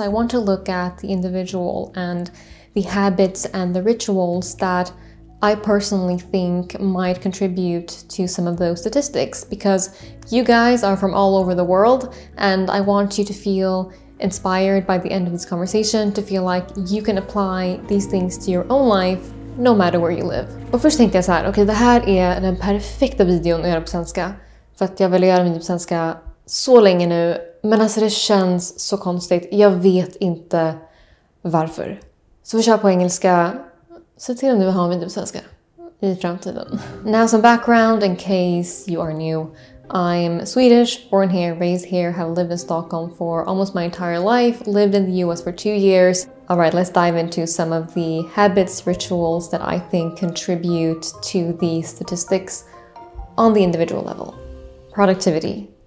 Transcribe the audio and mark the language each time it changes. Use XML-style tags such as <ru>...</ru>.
<en>I want to look at the individual and the habits and the rituals that I personally think might contribute to some of those statistics, because you guys are from all over the world and I want you to feel inspired by the end of this conversation, to feel like you can apply these things to your own life no matter where you live.</en> <sv>Och först tänkte jag så här, okej, det här är den perfekta videon att göra på svenska, för att jag vill göra video på svenska så länge nu, men alltså det känns så konstigt, jag vet inte varför. Så vi kör på engelska. Så till om du vill ha en video på svenska i framtiden.</sv> <en>Now some background in case you are new. I'm Swedish, born here, raised here, have lived in Stockholm for almost my entire life, lived in the US for 2 years. All right, let's dive into some of the habits, rituals that I think contribute to the statistics on the individual level. Productivity.</en>